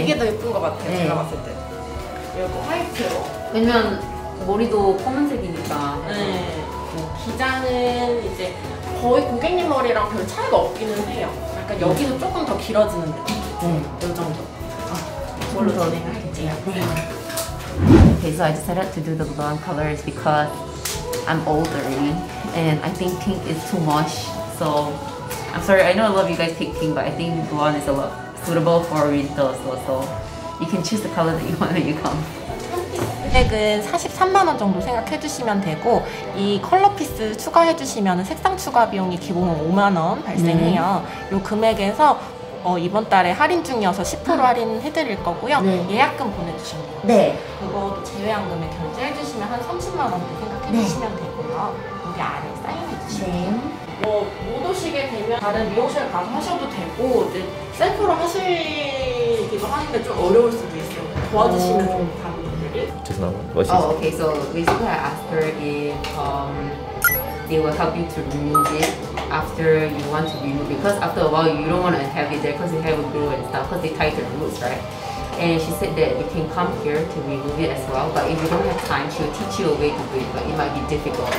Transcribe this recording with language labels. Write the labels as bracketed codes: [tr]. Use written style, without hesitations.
[ko] 이게 더 예쁜 것 같아요, 네. 제가 봤을 때. 이거 화이트로. 왜냐면 머리도 검은색이니까. 네. 기장은 이제 거의 고객님 머리랑 별 차이가 없기는 해요. 약간 여기서 조금 더 길어지는 느낌. 이 정도. 이걸로 더 내놨겠지. [en] Okay, so I decided to do the blonde colors because I'm older and I think pink is too much. So I'm sorry, I know a lot of you guys pick pink, but I think blonde is a lot suitable for winter. So you can choose the color that you want when you come. [ko] 금액은 43만원 정도 생각해주시면 되고, 이 컬러피스 추가해주시면 색상 추가 비용이 기본은 5만원 발생해요. 이 금액에서 이번 달에 할인 중이어서 10% 할인해드릴 거고요. 네. 예약금 보내주시면 돼요. 네. 그거 제외한 금액 결제해주시면 한 30만원도 생각해주시면 네. 되고요. 여기 아래 사인해주시면 돼요. 네. 뭐, 못 오시게 되면 다른 미용실 가서 하셔도 되고, 이제 셀프로 하시기도 하는데 좀 어려울 수도 있어요. 도와주시면 좀 다른 분들이. 죄송합니다. 멋있어요. [en] Oh, okay. So, basically, I asked her if they will help you to remove it. After you want to remove, because after a while you don't want to have it there because the hair will grow and stuff because they tie to the roots, right? And she said that you can come here to remove it as well, but if you don't have time, she'll teach you a way to do it, but it might be difficult.